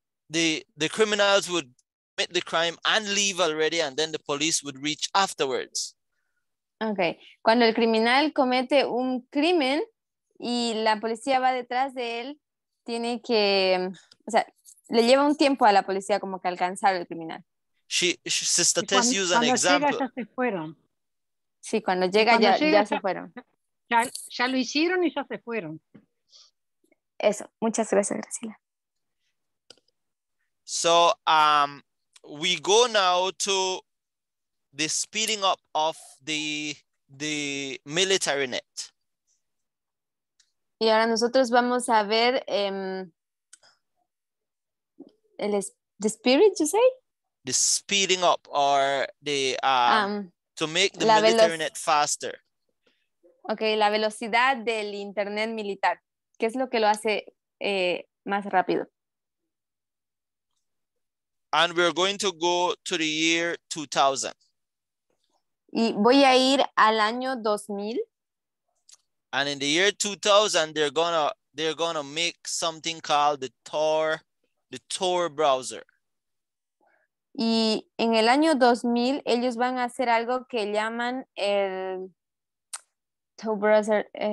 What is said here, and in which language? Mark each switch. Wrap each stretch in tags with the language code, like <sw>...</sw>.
<en>The criminals would commit the crime and leave already, and then the police would reach afterwards. Okay.</en> <es>Cuando el criminal comete un crimen y la policía va detrás de él, tiene que, o sea, le lleva un tiempo a la policía como que alcanzar al criminal.</es> <en>Sister Tess used an example.</en> <es>Cuando llega ya se fueron. Sí, cuando llega, cuando ya, llega ya, ya se fueron. Ya lo hicieron y ya se fueron. Eso. Muchas gracias, Graciela.</es> <en>So, we go now to the speeding up of the military net.</en> <es>Y ahora nosotros vamos a ver</es> <en>the spirit, you say? The speeding up or the to make the military net faster.</en> <es>Okay, la velocidad del internet militar. ¿Qué es lo que lo hace más rápido?</es> <en>And we're going to go to the year 2000.</en> <es>Y voy a ir al año 2000.</es> <en>And in the year 2000, they're gonna make something called the Tor browser.</en> <es>Y en el año 2000, ellos van a hacer algo que llaman el Tor browser.</es>